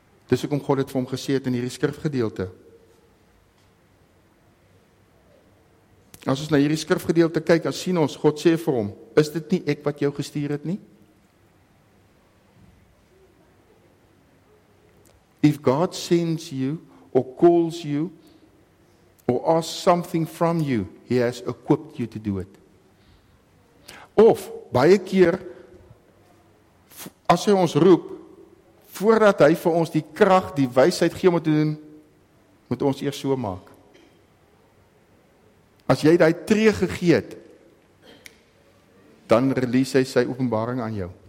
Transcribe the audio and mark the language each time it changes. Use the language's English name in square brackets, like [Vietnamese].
[Afrikaans] Dis ook om God het vir hom gesê het in hierdie skrifgedeelte. As ons na hierdie skrifgedeelte kyk, dan sien ons, God sê vir hom, is dit nie ek wat jou gestuur het nie? [English] If God sends you, or calls you, or asks something from you, he has equipped you to do it. [Afrikaans] Of, baie keer, as hy ons roep, voordat hy vir ons die krag, die wysheid gee om te doen, moet ons eers so maak. As jy die tree gegee het, dan release hy sy openbaring aan jou.